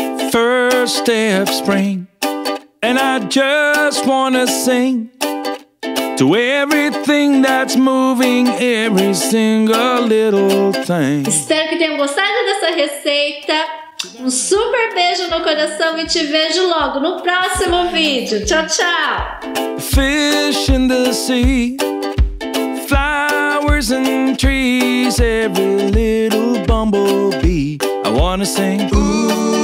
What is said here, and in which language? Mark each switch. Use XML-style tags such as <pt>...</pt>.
<en>First day of spring, and I just wanna sing to everything that's moving, every single little thing.</en> <pt>Espero que tenham gostado dessa receita. Um super beijo no coração e te vejo logo no próximo vídeo. Tchau, tchau.</pt> <en>Fish in the sea, flowers and trees, every little bumblebee. I wanna sing. Ooh.</en>